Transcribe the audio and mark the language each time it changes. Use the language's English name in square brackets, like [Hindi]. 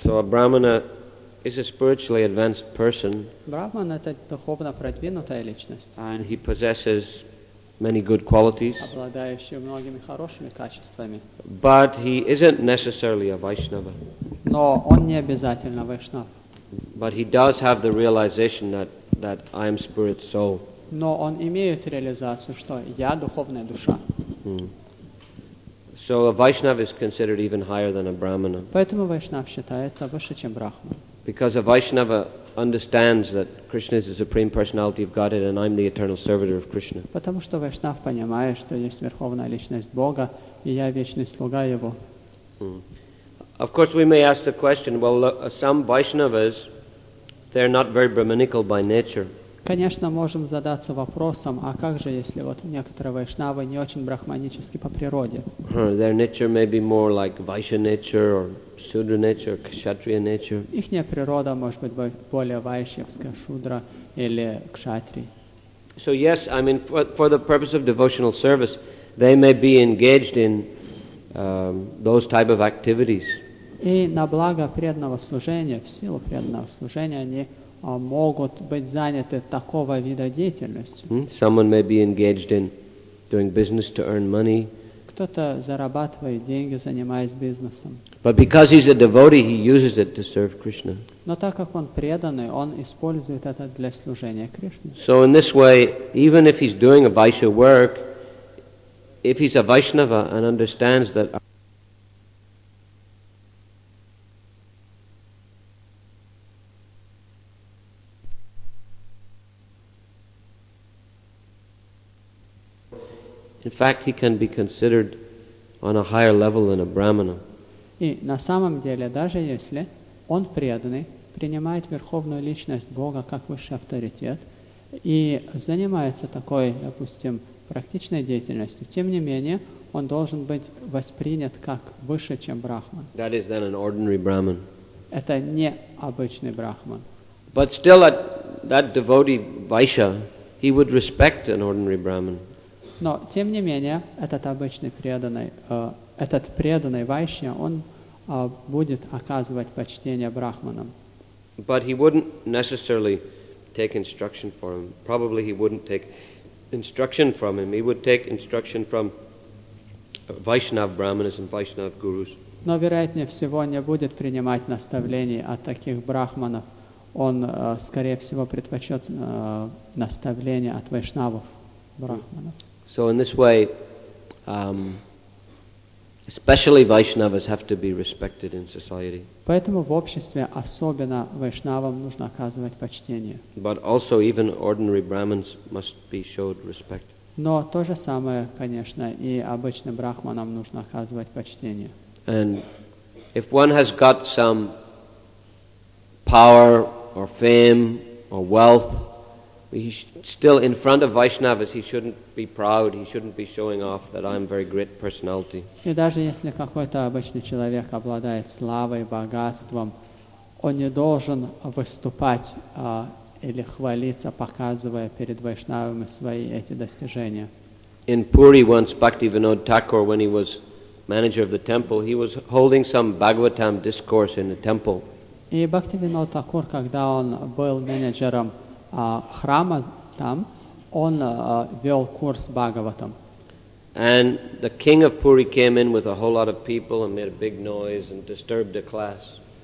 [English] So a Brahmana is a spiritually advanced person. [Russian] Брахман — это духовно продвинутая личность. [English] And he possesses many good qualities, [Russian] обладающие многими хорошими качествами. [English] But he isn't necessarily a Vaishnava. [Russian] Но он не обязательно Вайшнав. [English] But he does have the realization that I am spirit soul. [Russian] Но он имеет реализацию, что я духовная душа. [English] So a Vaishnava is considered even higher than a Brahmana. [Russian] Поэтому Вайшнав считается выше, чем Брахман. [English] Because a Vaishnava understands that Krishna is the Supreme Personality of Godhead and I'm the eternal servitor of Krishna. [Russian] Потому что Вайшнав понимает, что есть верховная личность Бога, и я вечный слуга его. [English] Of course we may ask the question, well, some Vaishnavas, they're not very brahminical by nature. [Russian] Конечно, можем задаться вопросом, а как же если вот некоторые вайшнавы не очень брахманические по природе? [English] Their nature may be more like Vaishya nature or Shudra nature, Kshatriya nature. [Russian] Ихняя природа может быть более вайшьевская, шудра или кшатрий. [English] So yes, I mean for the purpose of devotional service, they may be engaged in those type of activities. [Russian] И на благо преданного служения, в силу преданного служения, они могут быть заняты такого вида деятельностью. [English] Someone may be engaged in doing business to earn money. [Russian] Кто-то зарабатывает деньги, занимаясь бизнесом. [English] But because he's a devotee, he uses it to serve Krishna. [Russian] Но так как он преданный, он использует это для служения Кришне. [English] So in this way, even if he's doing a Vaishya work, if he's a Vaishnava and understands that in fact, he can be considered on a higher level than a brahmana. [Russian] И на самом деле, даже если он преданный, принимает верховную личность Бога как высший авторитет и занимается такой, допустим, практичной деятельностью, тем не менее, он должен быть воспринят как выше, чем брахман. [English] That is then an ordinary brahman. [Russian] Это не обычный брахман. [English] But still, that devotee Vaishya, he would respect an ordinary brahman. [Russian] Но, тем не менее, этот обычный преданный, этот преданный Вайшья, он будет оказывать почтение брахманам. [English] But he wouldn't necessarily take instruction from him. Probably he wouldn't take instruction from him. He would take instruction from Vaishnav brahmanas and Vaishnav gurus. [Russian] Но, вероятнее всего, не будет принимать наставлений от таких брахманов. Он, скорее всего, предпочет наставления от вайшнавов брахманов. [English] So in this way, especially Vaishnavas have to be respected in society. [Russian] Поэтому в обществе особенно вайшнавам нужно оказывать почтение. [English] But also even ordinary brahmins must be showed respect. [Russian] Но то же самое, конечно, и обычным брахманам нужно оказывать почтение. [English] And if one has got some power or fame or wealth, he still in front of Vaishnavas he shouldn't be proud, he shouldn't be showing off that I'm a very great personality. [Russian] И даже если какой-то обычный человек обладает славой, богатством, он не должен выступать или хвалиться, показывая перед вайшнавами свои эти достижения. [English] In Puri once Bhaktivinod Thakur, when he was manager of the temple, he was holding some Bhagavatam discourse in the temple. [Russian] И Бхактивинод Такур, когда он был менеджером храма там, он вел курс Бхагаватам. [English] And the king of Puri came in with a whole lot of people and made a big noise and disturbed the class.